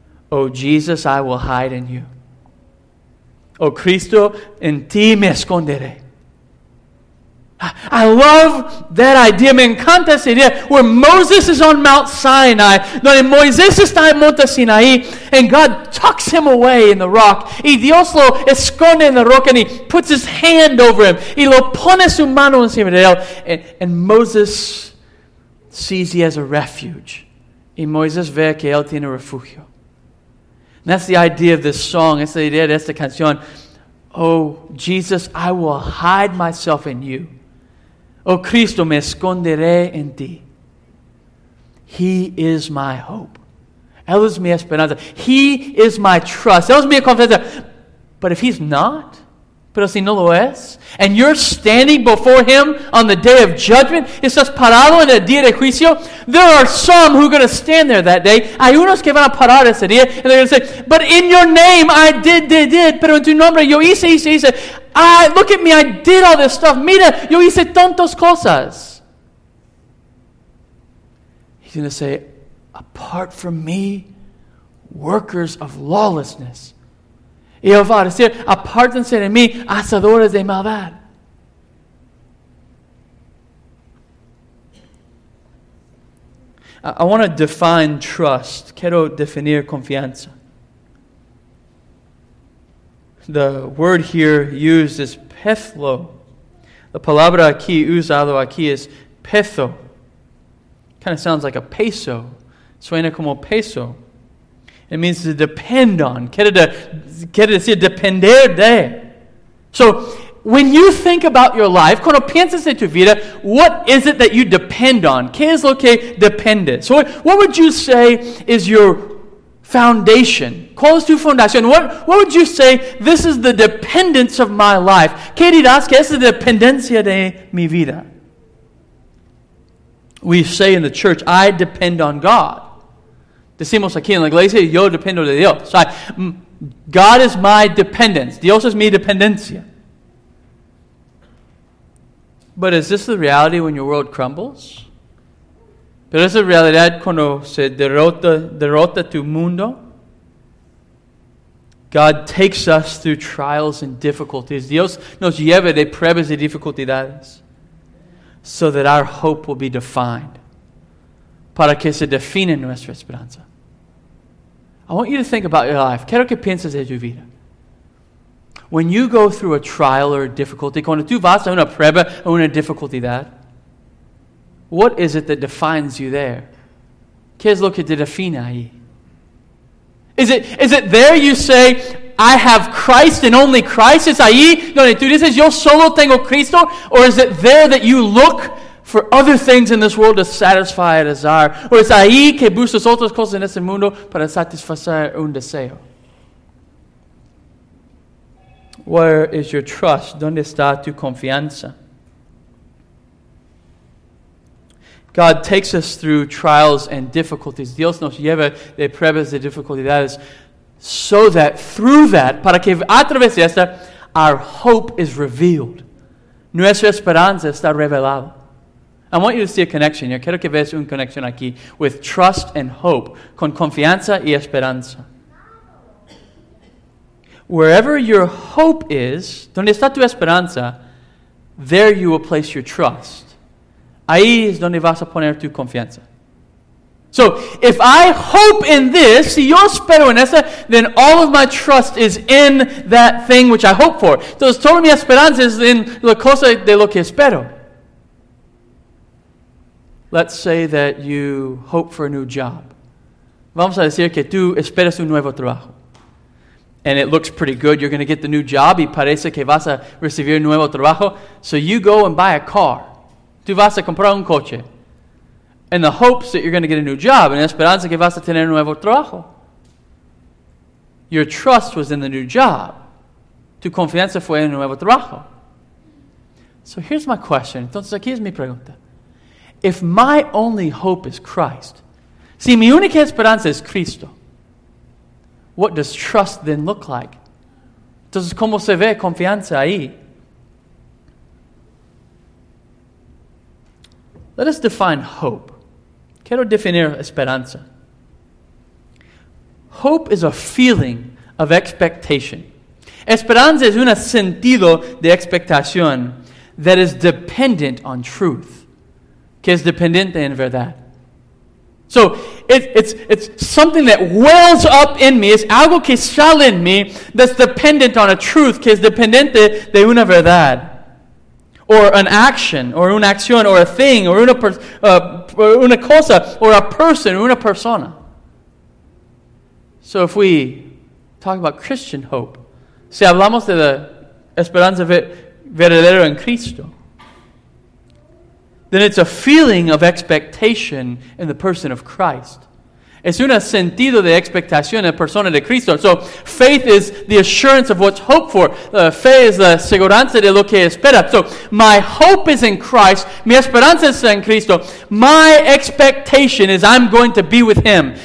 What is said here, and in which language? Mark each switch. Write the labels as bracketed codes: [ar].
[en] Oh Jesus, I will hide in you. [es] Oh Cristo, en ti me esconderé. [en] I love that idea. [es] Me encanta esa idea. [en] Where Moses is on Mount Sinai. [es] Donde Moisés está en Monte Sinai. [en] And God tucks him away in the rock. [es] Y Dios lo esconde en la roca. [en] And he puts his hand over him. [es] Y lo pone su mano encima de él. [en] And Moses sees he has a refuge. [es] Y Moisés ve que él tiene refugio. [en] And that's the idea of this song. [es] Es la idea de esta canción. [en] Oh, Jesus, I will hide myself in you. [es] Oh, Cristo, me esconderé en ti. [en] He is my hope. [es] Él es mi esperanza. [en] He is my trust. [es] Él es mi confianza. [en] But if he's not, [es] pero si no lo es, [en] and you're standing before him on the day of judgment, [es] estás parado en el día de juicio, [en] there are some who are going to stand there that day. [es] Hay unos que van a parar ese día, [en] and they're going to say, but in your name, I did, [es] pero en tu nombre, yo hice, [en] look at me, I did all this stuff. [es] Mira, yo hice tantas cosas. [en] He's going to say, apart from me, workers of lawlessness. [es] Y él va a decir, apártense de mí, hacedores de maldad. [en] I want to define trust. [es] Quiero definir confianza. [en] The word here used is pethlo. [es] La palabra aquí usado aquí es petho. [en] Kind of sounds like a peso. [es] Suena como peso. [en] It means to depend on. [es] Quiere decir depender de. [en] So, when you think about your life, [es] cuando piensas en tu vida, [en] what is it that you depend on? [es] ¿Qué es lo que depende? [en] So, what would you say is your foundation? [es] ¿Cuál es tu fundación? [en] What would you say, this is the dependence of my life? [es] ¿Qué dirás que es la dependencia de mi vida? [en] we say in the church, I depend on God. [es] Decimos aquí en la iglesia, yo dependo de Dios. [en] So God is my dependence. [es] Dios es mi dependencia. [en] But is this the reality when your world crumbles? [es] Pero es la realidad cuando se derrota tu mundo. [en] God takes us through trials and difficulties. [es] Dios nos lleva de pruebas y dificultades. [en] So that our hope will be defined. [es] Para que se define nuestra esperanza. [en] I want you to think about your life. [es] Quiero que pienses de tu vida. [en] When you go through a trial or a difficulty, [es] cuando tú vas a una prueba o una dificultad, [en] what is it that defines you there? [es] ¿Qué es lo que te define ahí? [en] Is it there you say, I have Christ and only Christ? [es] ¿Es ahí donde tú dices, yo solo tengo Cristo? [en] Or is it there that you look for other things in this world to satisfy a desire? [es] ¿O es ahí que buscas otras cosas en este mundo para satisfacer un deseo? [en] Where is your trust? [es] ¿Dónde está tu confianza? [en] God takes us through trials and difficulties. [es] Dios nos lleva de pruebas y dificultades [en] so that through that, [es] para que a través de esta, [en] our hope is revealed. [es] Nuestra esperanza está revelada. [en] I want you to see a connection here. [es] Quiero que veas un connection aquí [en] with trust and hope, [es] con confianza y esperanza. [en] Wherever your hope is, [es] donde está tu esperanza, [en] there you will place your trust. [es] Ahí es donde vas a poner tu confianza. [en] So, if I hope in this, [es] si yo espero en esa, [en] then all of my trust is in that thing which I hope for. [es] Entonces, toda mi esperanza es en la cosa de lo que espero. [en] Let's say that you hope for a new job. [es] Vamos a decir que tú esperas un nuevo trabajo. [en] And it looks pretty good. You're going to get the new job [es] y parece que vas a recibir un nuevo trabajo. [en] So, you go and buy a car. [es] Tú vas a comprar un coche. [en] In the hopes that you're going to get a new job. [es] En esperanza que vas a tener un nuevo trabajo. [en] Your trust was in the new job. [es] Tu confianza fue en el nuevo trabajo. [en] So here's my question. [es] Entonces aquí es mi pregunta. [en] If my only hope is Christ. [es] Si mi única esperanza es Cristo. [en] What does trust then look like? [es] Entonces, ¿cómo se ve confianza ahí? [en] Let us define hope. [es] Quiero definir esperanza. [en] Hope is a feeling of expectation. [es] Esperanza es un sentido de expectación [en] that is dependent on truth. [es] Que es dependiente en verdad. [en] So, it's something that wells up in me. [es] Es algo que sale en mí [en] that's dependent on a truth. [es] Que es dependiente de una verdad. [en] Or an action, or [es] una acción, [en] or a thing, or [es] una cosa, [en] or a person, [es] una persona. [en] So if we talk about Christian hope, [es] si hablamos de la esperanza verdadera en Cristo, [en] then it's a feeling of expectation in the person of Christ. [es] Es un sentido de expectación en la persona de Cristo. [en] So, faith is the assurance of what's hoped for. [es] Fe es la seguridad de lo que espera. [en] So, my hope is in Christ. [es] Mi esperanza está en Cristo. [en] My expectation is I'm going to be with Him.